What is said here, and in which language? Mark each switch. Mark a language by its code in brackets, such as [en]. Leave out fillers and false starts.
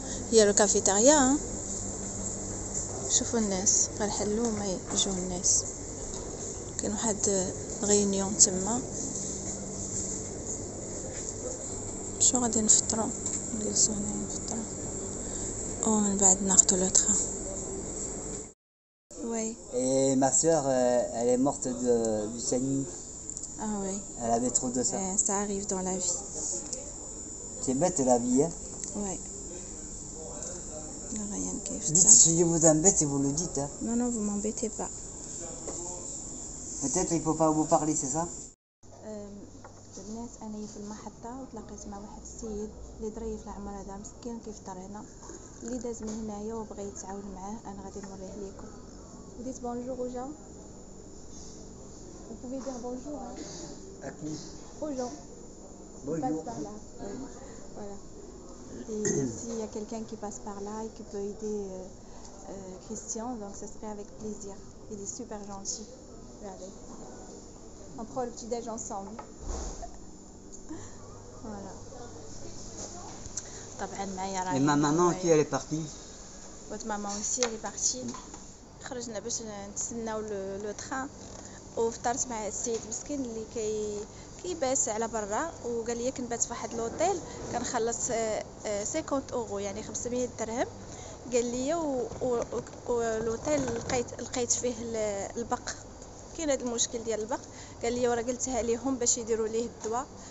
[ar] هي لو كافيتاريا، شوفوا الناس غير حلو ما يجوا الناس. كان واحد غينيون تما، شو غادي نفطرو نجلسو هنا نفطرو ومن بعد ناخدو لو طرا. [fr] وي اي ما سور elle est morte de du sang. اه وي elle avait trop de ça. ça arrive dans la vie. c'est bête la vie hein. وي Dites si je vous embête et vous le dites. Hein. Non, non, vous m'embêtez pas. Peut-être il faut pas vous parler, c'est ça? [ar] الناس انا في المحطه وتلاقيت مع واحد السيد اللي دري في العمر هذا مسكين كيفطر هنا، اللي داز من هنايا وبغى يتعاون معاه. انا غادي نوريه لكم. وديت بونجور او جون. [fr] Vous pouvez dire bonjour hein. À qui? Au Jean. Bonjour. Voilà. Et s'il y a quelqu'un qui passe par là et qui peut aider Christian, donc ce serait avec plaisir. Il est super gentil. Regardez. On prend le petit déj ensemble. Voilà. Et ma maman aussi, elle est partie. Votre maman aussi, elle est partie. Je n'ai pas besoin de le train. Au retard, je vais essayer de me scanner. [ar] كيباس على برا وقال لي كنبات في واحد لوطيل كنخلص 50 اورو يعني 500 درهم. قال لي ولوطيل لقيت فيه البق، كاين هذا المشكل ديال البق. قال لي راه قلتها ليهم باش يديروا ليه الدواء